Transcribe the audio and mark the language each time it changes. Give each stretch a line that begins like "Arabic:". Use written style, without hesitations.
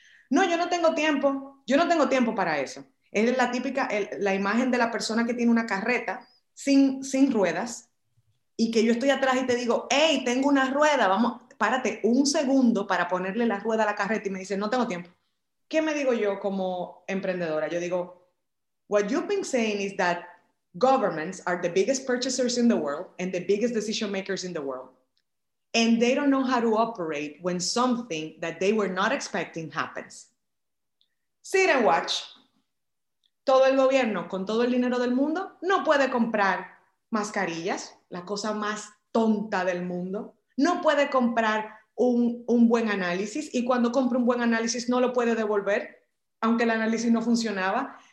Spanish: No, yo no tengo tiempo. Yo no tengo tiempo para eso. Es la típica, la imagen de la persona que tiene una carreta sin ruedas y que yo estoy atrás y te digo, hey, tengo una rueda, vamos, párate un segundo para ponerle la rueda a la carreta y me dice, no tengo tiempo. ¿Qué me digo yo como emprendedora? Yo digo,
English: what you've been saying is that governments are the biggest purchasers in the world and the biggest decision makers in the world. And they don't know how to operate when something that they were not expecting happens. Sit and watch.
Spanish: Todo el gobierno con todo el dinero del mundo no puede comprar mascarillas, la cosa más tonta del mundo. No puede comprar un buen análisis y cuando compra un buen análisis no lo puede devolver, aunque el análisis no funcionaba.